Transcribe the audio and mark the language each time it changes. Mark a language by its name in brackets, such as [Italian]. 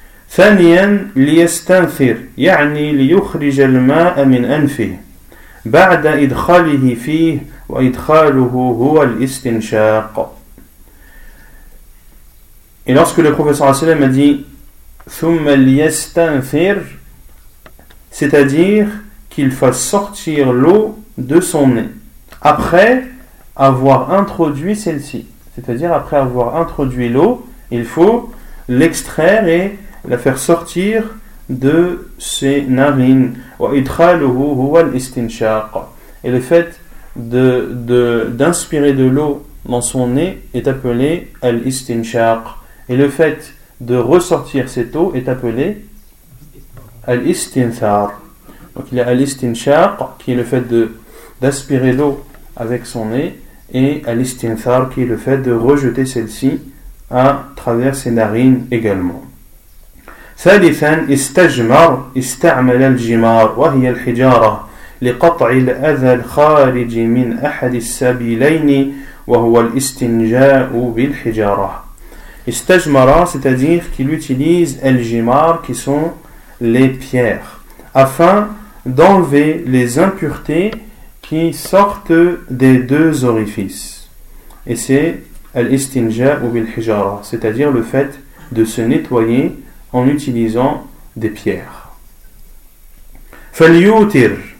[Arabic] ثانيا ليستنثر يعني ليخرج الماء من أنفه بعد إدخاله فيه وإدخاله هو الاستنشاق. [French] Et lorsque le professeur Asselam a dit [Arabic] ثم ليستنثر, [French] c'est-à-dire qu'il fasse sortir l'eau de son nez après avoir introduit celle-ci, c'est-à-dire après avoir introduit l'eau, il faut l'extraire et la faire sortir de ses narines. [Arabic] وَإِدْخَالُهُ هُوَ الْإِسْتِنْشَاقُ, [French] et le fait d'inspirer de l'eau dans son nez est appelé الْإِسْتِنْشَاقُ, et le fait de ressortir cette eau est appelé al-istinthar. Donc il y a al-istinshaq, qui est le fait d'aspirer l'eau avec son nez, et al-istinthar, qui est le fait de rejeter celle-ci à travers ses narines également. [Arabic] ثالثاً استجمر استعمل الجمار وهي الحجارة لقطع الأذى الخارج من أحد السبيلين وهو الاستنجاء بالحجارة. [French] Istajmara, c'est-à-dire qu'il utilise el-jimar, qui sont les pierres, afin d'enlever les impuretés qui sortent des deux orifices. Et c'est el-istinja ou bil-hijara, c'est-à-dire le fait de se nettoyer en utilisant des pierres. Falyutir,